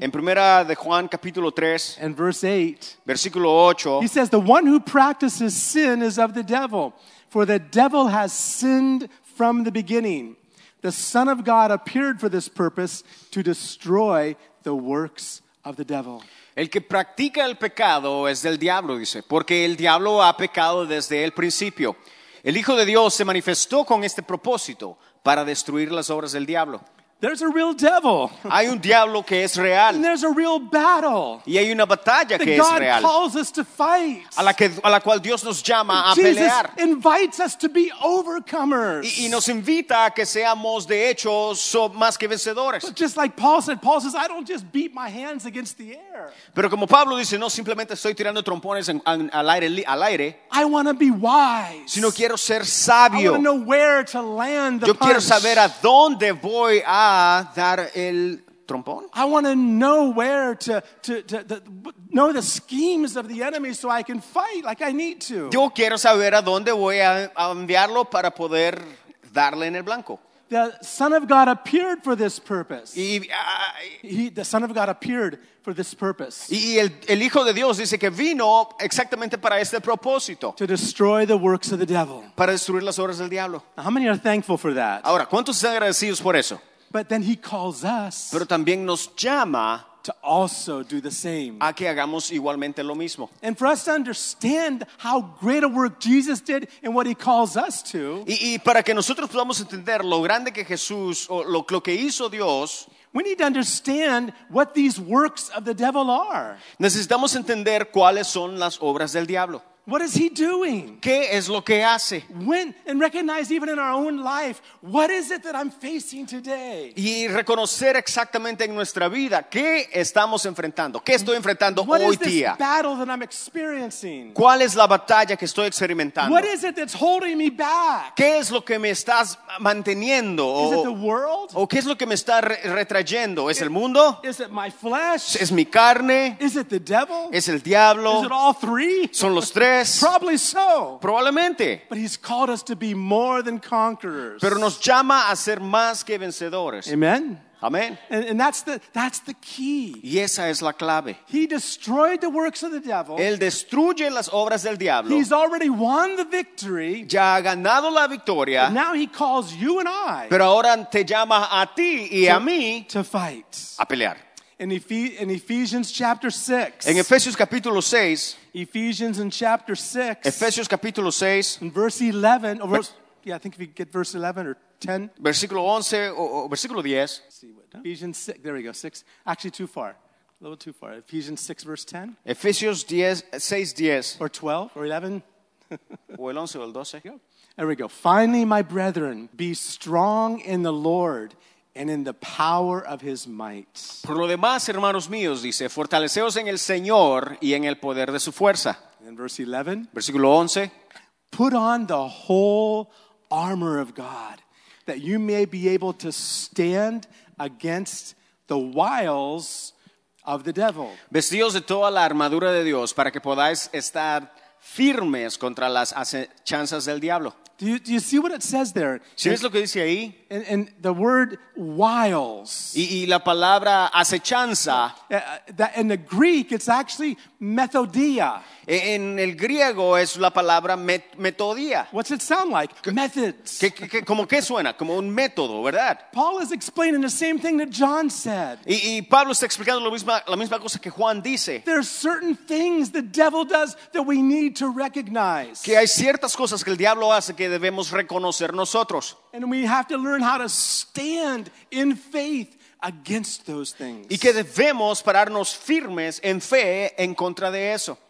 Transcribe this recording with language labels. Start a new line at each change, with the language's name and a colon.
Spanish: En 1 de Juan capítulo 3.
English: In verse 8.
Spanish: Versículo 8.
English: He says, the one who practices sin is of the devil. For the devil has sinned from the beginning. The Son of God appeared for this purpose to destroy the works of the devil.
Spanish: El que practica el pecado es del diablo, dice, porque el diablo ha pecado desde el principio. El Hijo de Dios se manifestó con este propósito para destruir las obras del diablo.
English: There's a real devil.
Spanish: Hay un diablo que es real.
English: And there's a real battle.
Spanish: Y hay una batalla que
English: God
Spanish: es real.
English: That God calls us to fight.
Spanish: A la cual Dios nos llama a
English: Jesus
Spanish: pelear.
English: Jesus invites us to be overcomers.
Spanish: Y nos invita a que seamos de hecho más que vencedores.
English: But just like Paul said, Paul says, I don't just beat my hands against the air.
Spanish: Pero como Pablo dice, no simplemente estoy tirando trompones al aire.
English: I want to be wise.
Spanish: Sino quiero ser sabio.
English: I want to know where to land the
Spanish: Yo
English: punch.
Spanish: Quiero saber a dónde voy a dar el trompón.
English: I want to know where to know the schemes of the enemy so I can fight like I need to.
Spanish: Yo quiero saber a dónde voy a enviarlo para poder darle en el blanco.
English: The Son of God appeared for this purpose. The Son of God appeared for this purpose.
Spanish: Y el Hijo de Dios dice que vino exactamente para este propósito.
English: To destroy the works of the devil.
Spanish: Para destruir las obras del diablo.
English: Now, how many are thankful for that?
Spanish: Ahora, ¿cuántos están agradecidos por eso?
English: But then he calls us.
Spanish: Pero también nos llama
English: to also do the same.
Spanish: A que hagamos igualmente lo mismo.
English: And for us to understand how great a work Jesus did and what he calls us to.
Spanish: Y para que nosotros podamos entender lo grande que Jesús o lo que hizo Dios.
English: We need to understand what these works of the devil are.
Spanish: Necesitamos entender cuáles son las obras del diablo.
English: What is he doing?
Spanish: ¿Qué es lo que hace?
English: When and recognize even in our own life, what is it that I'm facing today?
Spanish: Y reconocer exactamente en nuestra vida qué estamos enfrentando, qué estoy enfrentando
English: what
Spanish: hoy
English: is this
Spanish: día.
English: Battle that I'm experiencing?
Spanish: ¿Cuál es la batalla que estoy experimentando?
English: What is it that's holding me back?
Spanish: ¿Qué es lo que me estás manteniendo? Is it the world? ¿O qué es lo que me está retrayendo? ¿Es el mundo?
English: Is it my flesh?
Spanish: ¿Es mi carne?
English: Is it the devil?
Spanish: ¿Es el diablo?
English: Is it all three?
Spanish: ¿Son los tres? vez.
English: Probably so.
Spanish: Probablemente.
English: But he's called us to be more than conquerors.
Spanish: Pero nos llama a ser más que vencedores.
English: Amen.
Spanish: Amen.
English: And that's the key.
Spanish: Y esa es la clave.
English: He destroyed the works of the devil.
Spanish: Él destruye las obras del diablo.
English: He's already won the victory.
Spanish: Ya ha ganado la victoria.
English: But now he calls you and I.
Spanish: Pero ahora te llama a ti y a mí.
English: To fight.
Spanish: A pelear.
English: In Ephesians chapter 6.
Spanish: En Efesios capítulo 6.
English: Ephesians in chapter 6.
Spanish: Efesios capítulo 6.
English: In verse 11. I think if you get verse 11 or 10.
Spanish: Versículo 11 o versículo 10.
English: See what, no? Ephesians 6. There we go. 6. Actually too far. A little too far. Ephesians 6 verse 10.
Spanish: Efesios 6:10.
English: Or 12 or 11.
Spanish: O el 11 o el 12.
English: There we go. Finally, my brethren, be strong in the Lord. And in the power of his might.
Spanish: Por lo demás, hermanos míos, dice, fortaleceos en el Señor y en el poder de su fuerza.
English: In verse 11.
Spanish: Versículo 11.
English: Put on the whole armor of God, that you may be able to stand against the wiles of the devil.
Spanish: Vestidos de toda la armadura de Dios, para que podáis estar firmes contra las acechanzas del diablo.
English: Do you see what it says there?
Spanish: ¿Sí ves lo que dice ahí?
English: And the word wiles.
Spanish: Y la palabra acechanza.
English: That in the Greek, it's actually methodia.
Spanish: En el griego es la palabra metodía.
English: What's it sound like? Methods.
Spanish: ¿Cómo qué suena? Como un método, ¿verdad?
English: Paul is explaining the same thing that John said.
Spanish: Y Pablo está explicando la misma cosa que Juan dice.
English: There are certain things the devil does that we need to recognize.
Spanish: Que hay ciertas cosas que el diablo hace que debemos reconocer nosotros.
English: And we have to learn how to stand in faith against those things.
Spanish: Y que debemos pararnos firmes en fe en contra de eso.